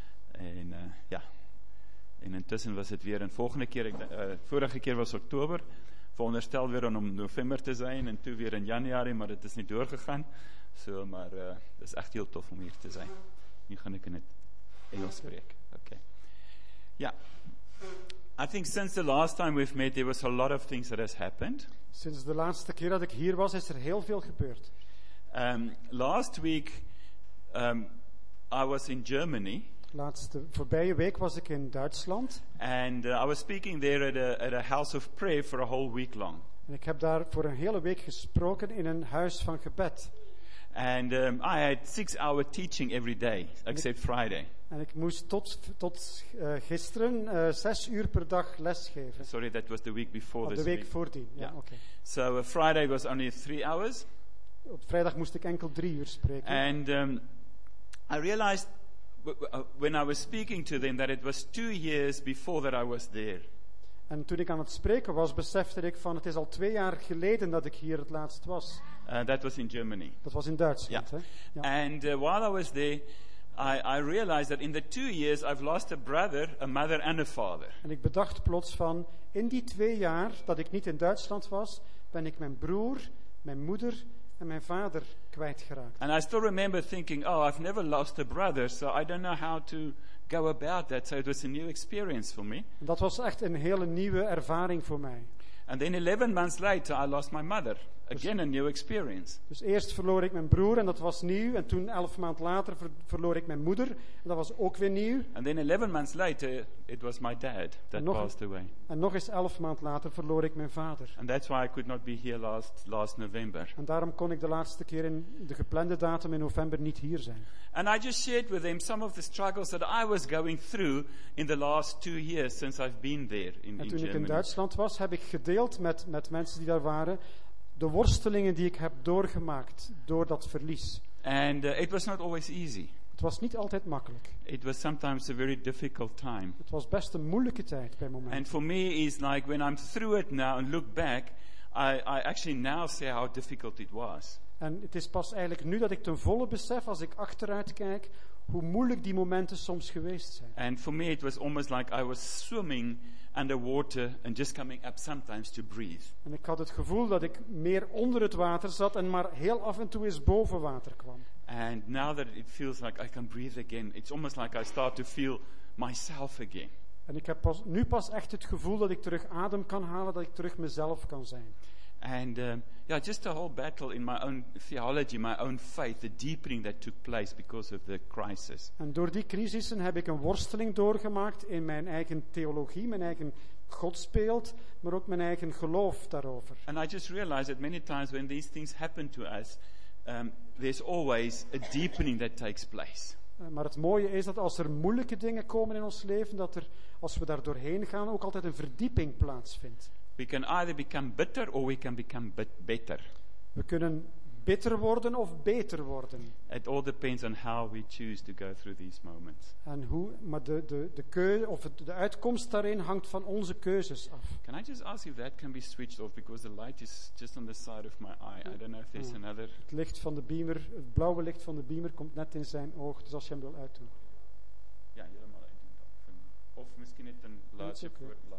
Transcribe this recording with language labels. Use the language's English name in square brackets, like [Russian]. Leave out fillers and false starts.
[Dutch] En en intussen was het weer een volgende keer, vorige keer was oktober, veronderstel weer om november te zijn en toen weer in januari, maar het is niet doorgegaan. Het is echt heel tof om hier te zijn. Nu ga ik in het Engels spreken. [English] Yeah. I think since the last time we've met, there was a lot of things that has happened. [Dutch] Sinds de laatste keer dat ik hier was, is er heel veel gebeurd. [English] Last week, I was in Germany. [Dutch] Laatste voorbije week was ik in Duitsland. [English] And I was speaking there at a house of prayer for a whole week long. [Dutch] En ik heb daar voor een hele week gesproken in een huis van gebed. [English] And I had 6-hour teaching every day, except Friday. [Dutch] En ik moest tot gisteren 6 uur per dag les geven. [English] Sorry, that was the week before this week. [Dutch] De week voordien, ja, oké. Okay. [English] So Friday was only 3 hours. [Dutch] Op vrijdag moest ik enkel 3 uur spreken. [English] And I realized when I was speaking to them that it was 2 years before that I was there. [Dutch] En toen ik aan het spreken was, besefte ik van het is al 2 jaar geleden dat ik hier het laatst was. [English] That was in Germany. [Dutch] Dat was in Duitsland. [English] Yeah. Hè? [Dutch] Ja. [English] And while I was there, I realized that in the 2 years I've lost a brother, a mother and a father. [Dutch] En ik bedacht plots van in die 2 jaar dat ik niet in Duitsland was, ben ik mijn broer, mijn moeder en mijn vader kwijtgeraakt. [English] And I still remember thinking, oh, I've never lost a brother, so I don't know how to go about that. So it was a new experience for me. [Dutch] En dat was echt een hele nieuwe ervaring voor mij. [English] And then 11 months later I lost my mother. Again, a new experience. [Dutch] Dus eerst verloor ik mijn broer en dat was nieuw. En toen 11 maanden later verloor ik mijn moeder en dat was ook weer nieuw. [English] And then 11 months later, it was my dad that passed away. [Dutch] En nog eens 11 maanden later verloor ik mijn vader. [English] And that's why I could not be here last November. [Dutch] En daarom kon ik de laatste keer in de geplande datum in november niet hier zijn. [English] And I just shared with them some of the struggles that I was going through in the last 2 years since I've been there in Germany. [Dutch] En toen ik in Duitsland was, heb ik gedeeld met mensen die daar waren. De worstelingen die ik heb doorgemaakt door dat verlies. [English] And it was not always easy. [Dutch] Het was niet altijd makkelijk. [English] It was sometimes a very difficult time. [Dutch] Het was best een moeilijke tijd bij momenten. [English] And for me is like when I'm through it now and look back, I actually now see how difficult it was. [Dutch] En het is pas eigenlijk nu dat ik ten volle besef als ik achteruit kijk hoe moeilijk die momenten soms geweest zijn. [English] And for me it was almost like I was swimming underwater and just coming up sometimes to breathe. [Dutch] En ik had het gevoel dat ik meer onder het water zat en maar heel af en toe eens boven water kwam. [English] And now that it feels like I can breathe again, it's almost like I start to feel myself again. [Dutch] En ik heb nu pas echt het gevoel dat ik terug adem kan halen, dat ik terug mezelf kan zijn. [English] And just a whole battle in my own theology, my own faith, the deepening that took place because of the crisis. [Dutch] En door die crisissen heb ik een worsteling doorgemaakt in mijn eigen theologie, mijn eigen godsbeeld, maar ook mijn eigen geloof daarover. [English] And I just realized that many times when these things happen to us, there's always a deepening that takes place. [Dutch] Maar het mooie is dat als er moeilijke dingen komen in ons leven, dat er, als we daar doorheen gaan, ook altijd een verdieping plaatsvindt. [English] We can either become bitter or we can become better. [Dutch] We kunnen bitter worden of beter worden. [English] It all depends on how we choose to go through these moments. [Dutch] En hoe, maar de keuze of de uitkomst daarin hangt van onze keuzes af. [English] Can I just ask if that can be switched off because the light is just on the side of my eye. I don't know if there's another. [Dutch] Het licht van de beamer, het blauwe licht van de beamer komt net in zijn oog. Dus als je hem wil uitdoen. Ja, helemaal uitdoen. Of misschien net een laatje voor.